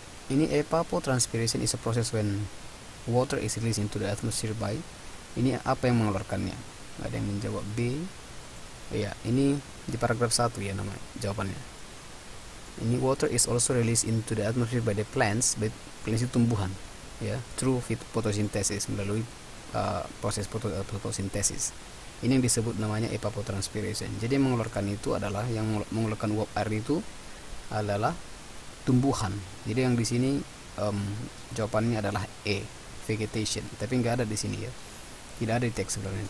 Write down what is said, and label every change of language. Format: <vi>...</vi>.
<en>Ini evapotranspiration is a process when water is released into the atmosphere by.</en> <id>Ini apa yang mengeluarkannya? Ada yang menjawab B. Oh, ya, ini di paragraf 1 ya nama jawabannya.</id> <en>Ini water is also released into the atmosphere by the plants, but plants</en> <id>itu tumbuhan, ya,</id> <en>through photosynthesis,</en> <id>melalui proses fotosintesis. Ini yang disebut namanya evapotranspiration. Jadi mengeluarkan itu adalah yang mengeluarkan uap air itu adalah tumbuhan. Jadi yang di sini jawabannya adalah E, vegetation. Tapi nggak ada di sini ya. Tidak ada di teks sebenarnya.</id>